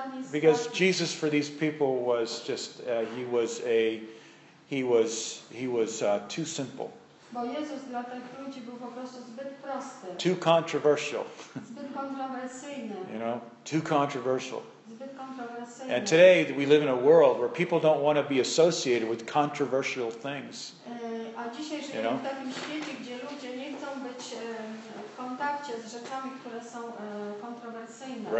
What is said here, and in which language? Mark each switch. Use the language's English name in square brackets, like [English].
[English] Because Jesus for these people was just, he was too simple. [Polish] Bo Jezus dla tych ludzi był po prostu zbyt prosty. [English] Too controversial. [Polish] Zbyt kontrowersyjny. [English] You know, too controversial. [Polish] Zbyt kontrowersyjny. [English] And today we live in a world where people don't want to be associated with controversial things. [Polish] A dzisiaj żyjemy, [English] you know, [Polish] w takim świecie, gdzie ludzie nie chcą być w kontakcie z rzeczami, które są kontrowersyjne.